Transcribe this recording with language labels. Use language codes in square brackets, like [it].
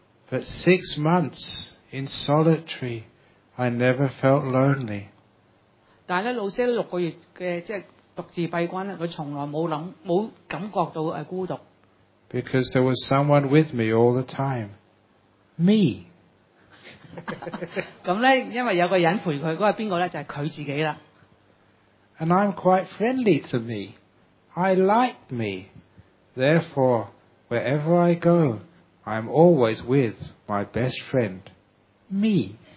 [en] But 6 months in solitary, I never felt lonely. [yue] 但係咧，老師6个月嘅即係獨自閉關咧，佢從來冇感覺到孤獨。 [en] Because there was someone with me all the time, me. [yue] 咁咧，因為有個人陪佢，嗰個邊個咧？就係佢自己啦。 [en] And I'm quite friendly to me. I like me. Therefore, wherever I go, I'm always with my best friend, me.